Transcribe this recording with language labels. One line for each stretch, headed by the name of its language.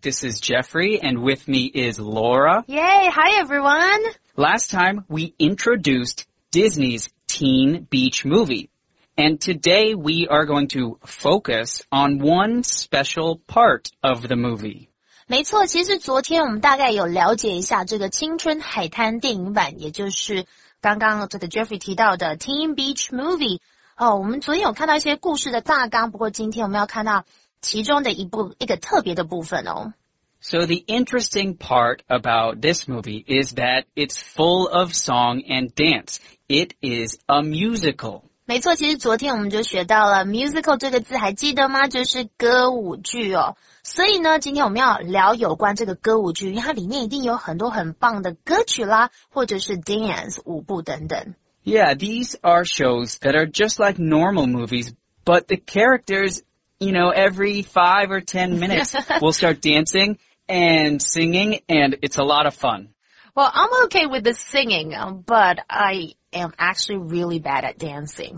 English: This is Jeffrey, and with me is Laura. Yay! Hi, everyone! Last time, we introduced Disney's Teen Beach Movie. And today, we are going to focus on one special part of the movie.
Chinese: 没错，其实昨天我们大概有了解一下这个青春海滩电影版，也就是刚刚这个 Jeffrey 提到的 Teen Beach Movie。哦，我们昨天有看到一些故事的大纲，不过今天我们要看到其中的一个特别的部分哦。
English: So the interesting part about this movie is that it's full of song and dance. It is a musical.
Chinese: 没错，其实昨天我们就学到了 musical 这个字，还记得吗？就是歌舞剧哦。所以呢，今天我们要聊有关这个歌舞剧，因为它里面一定有很多很棒的歌曲啦，或者是 dance 舞步等等。
English: Yeah, these are shows that are just like normal movies, but the characters, you know, every 5 or 10 minutes will start dancing and singing, and it's a lot of fun. Well, I'm okay with the singing, but I am actually really bad at dancing.